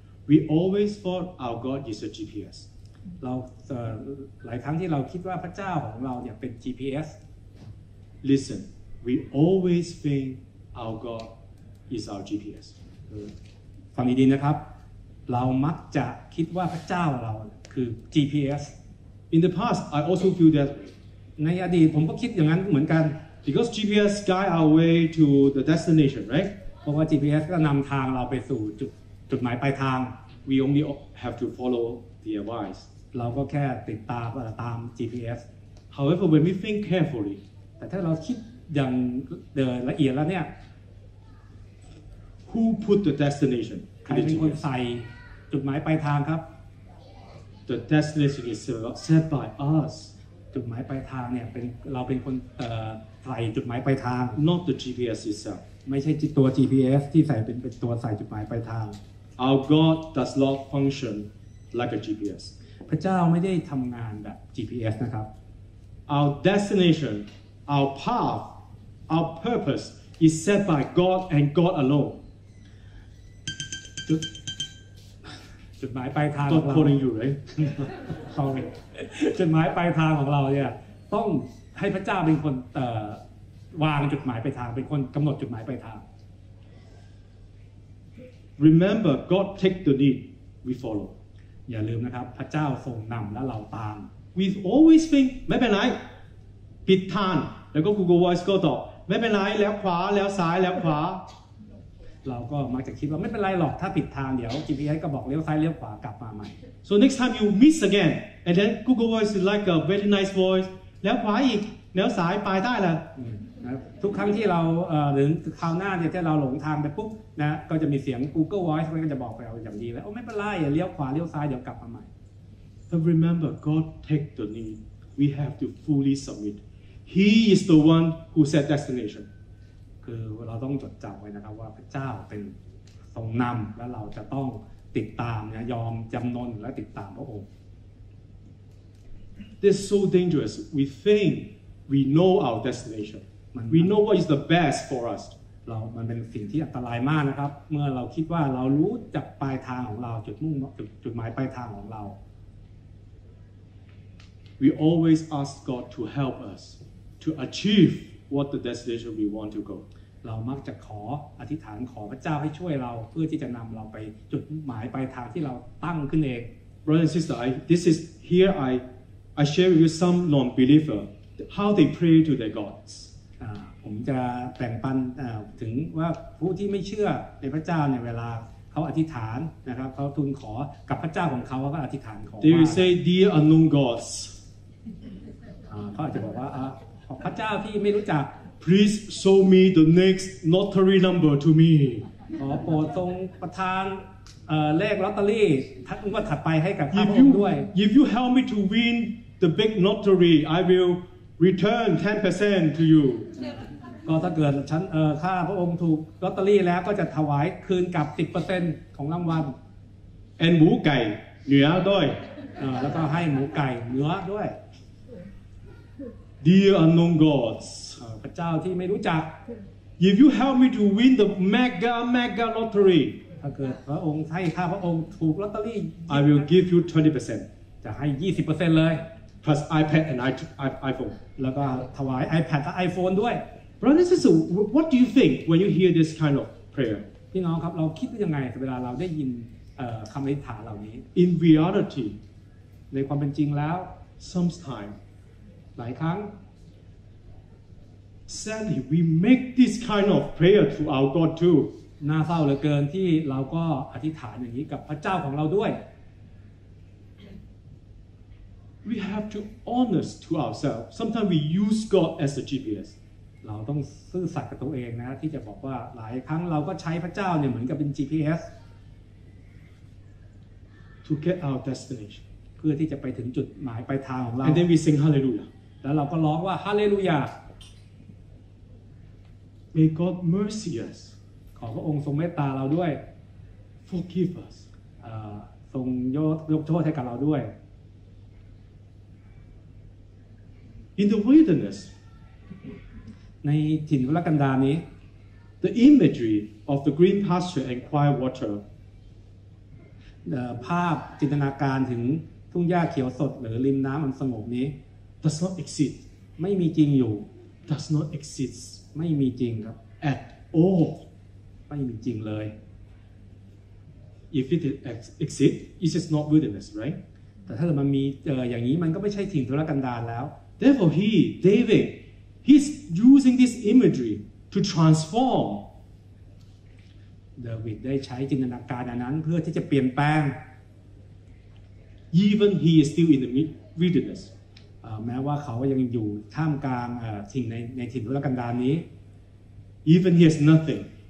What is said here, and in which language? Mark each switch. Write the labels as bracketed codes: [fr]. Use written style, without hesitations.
[en] we always thought our God is a GPS [th] เราหลายครั้งที่เราคิดว่าพระเจ้าของเราเนี่ยเป็น GPS [en] listenWe always think our God is our GPS. [th] ฟังดีๆนะครับเรามักจะคิดว่าพระเจ้าเราคือ GPS. [en] In the past, I also feel that way. [th] ในอดีตผมก็คิดอย่างนั้นเหมือนกัน [en] Because GPS guide our way to the destination, right? [th] เพราะว่า GPS ก็นำทางเราไปสู่จุดหมายปลายทาง [en] We only have to follow the advice. [th] เราก็แค่ติดตามGPS. [en] However, when we think carefully, [th] แต่ถ้าเราคิดอย่างละเอียดแล้วเนี่ย [en] Who put the destination? [th] ใครเป็นคนใส่จุดหมายปลายทางครับ [en] The destination is set by us. [th] จุดหมายปลายทางเนี่ยเราเป็นคนใส่จุดหมายปลายทาง [en] Not the GPS itself. [th] ไม่ใช่ตัว GPS ที่ใส่เป็นตัวใส่จุดหมายปลายทาง [en] Our God does not function like a GPS. [th] พระเจ้าไม่ได้ทำงานแบบ GPS นะครับ [en] Our destinationOur path, our purpose is set by God and God alone. [th] จุดหมายปลายทางของเรา [en] Stop calling you, right? Sorry. [th] จุดหมายปลายทางของเราเนี่ยต้องให้พระเจ้าเป็นคนวางจุดหมายปลายทางเป็นคนกำหนดจุดหมายปลายทาง [en] Remember, God takes the lead, we follow. [th] อย่าลืมนะครับพระเจ้าทรงนำและเราตาม [en] We always think, [th] ไม่เป็นไรปิดทานแล้วก็ Google Voice ก็ตอบไม่เป็นไรแล้วขวาแล้วซ้ายแล้วขวา เราก็มักจะคิดว่าไม่เป็นไรหรอกถ้าปิดทางเดี๋ยว GPS ก็บอกเลี้ยวซ้ายเลี้ยวขวากลับมาใหม่ [en] So next time you miss again and then Google Voice is like a very nice voice [th] แล้วขวาอีกแล้วซ้ายไปได้แล้ว ทุกครั้งที่เราหรือคราวหน้าเนี่ยถ้าเราหลงทางไปปุ๊บนะก็จะมีเสียง Google Voice มันก็จะบอกไปเอาอย่างดีแล้วโอ้ไม่เป็นไรเลี้ยวขวาเลี้ยวซ้ายเดี๋ยวกลับมาใหม่ [en] But remember God take the lead we have to fully submitHe is the one who set destination. [th] คือเราต้องจดจำไว้นะครับว่าพระเจ้าเป็นทรงนำและเราจะต้องติดตามนะยอมจำนนและติดตามพระองค์ [en] This is so dangerous. We think we know our destination. We know what is the best for us. [th] เรามันเป็นสิ่งที่อันตรายมากนะครับเมื่อเราคิดว่าเรารู้จักปลายทางของเราจุดมุ่งจุดหมายปลายทางของเรา [en] We always ask God to help us. To achieve what the destination we want to go, [th] เรามักจะขออธิษฐานขอพระเจ้าให้ช่วยเราเพื่อที่จะนำเราไปจุดหมายปลายทางที่เราตั้งขึ้นเอง [en] Brother and sister, this is here. I share with you some non-believer how they pray to their gods. [th] ผมจะแบ่งปันถึงว่าผู้ที่ไม่เชื่อในพระเจ้าในเวลาเขาอธิษฐานนะครับเขาทูลขอกับพระเจ้าของเขาว่าเขาอธิษฐานขอ [en] They will say, "Dear unknown gods." [th] เขาอาจจะบอกว่าพระเจ้าที่ไม่รู้จัก [en] Please show me the next lottery number to me [th] ขอโปรดทรงประทานเลขลอตเตอรี่ทั้งงวดถัดไปให้กับข้าพเจ้าด้วย [en] If you help me to win the big lottery I will return 10% to you [th] ก็ถ้าเกิดฉันข้าพระองค์ถูกลอตเตอรี่แล้วก็จะถวายคืนกลับ 10% ของรางวัล แอนหมูไก่เนื้อด้วย แล้วก็ให้หมูไก่เนื้อด้วย [en] Dear unknown gods, [th] พระเจ้าที่ไม่รู้จัก [en] If you help me to win the mega lottery, [th] ถ้าเกิดพระองค์ให้ข้าพระองค์ถูกลอตเตอรี่ [en] I will give you 20% [th] จะให้ 20% เลย [en] plus iPad and iPhone [th] แล้วก็ถวาย iPad และ iPhone ด้วย [en] Brother and sister, what do you think when you hear this kind of prayer? [th] พี่น้องครับเราคิดยังไงเวลาเราได้ยินคำอธิษฐานเหล่านี้ [en] In reality, [th] ในความเป็นจริงแล้ว [en] sometimes [th] หลายครั้ง [en] Sadly, we make this kind of prayer to our God too. [th] น่าเศร้าเหลือเกินที่เราก็อธิษฐานอย่างนี้กับพระเจ้าของเราด้วย [en] We have to honest to ourselves. Sometimes we use God as a GPS. [th] เราต้องซื่อสัตย์กับตัวเองนะที่จะบอกว่าหลายครั้งเราก็ใช้พระเจ้าเนี่ยเหมือนกับเป็น GPS [en] to get our destination. [th] เพื่อที่จะไปถึงจุดหมายปลายทางของเรา [en] And then we sing hallelujah. [th] แล้วเราก็ร้องว่า hallelujah. [en] May God mercy us. [th] ขอพระองค์ทรงเมตตาเราด้วย [en] Forgive us. [th] ทรงยกโทษให้กับเราด้วย [en] In the wilderness, [th] ในถิ่นทุรกันดารนี้ [en] the imagery of the green pasture and quiet water, [th] ภาพจินตนาการถึงทุ่งหญ้าเขียวสดหรือริมน้ำอันสงบนี้ [en] does not exist, [th] ไม่มีจริงอยู่ [en] does not exist, [th] ไม่มีจริงครับ [en] at all, [th] ไม่มีจริงเลย [en] if it exist, it is not wilderness, right? [th] แต่ถ้ามันมีอย่างนี้มันก็ไม่ใช่ถิ่นทุรกันดารแล้ว [en] Therefore he, David, he's using this imagery to transform. [th] David ได้ใช้จินตนาการอันนั้นเพื่อที่จะเปลี่ยนแปลง [en] Even he is still in the wilderness. [th] แม้ว่าเขายังอยู่ท่ามกลางสิ่งในถิ่นทุรกันดารนี้ [en] Even he has nothing.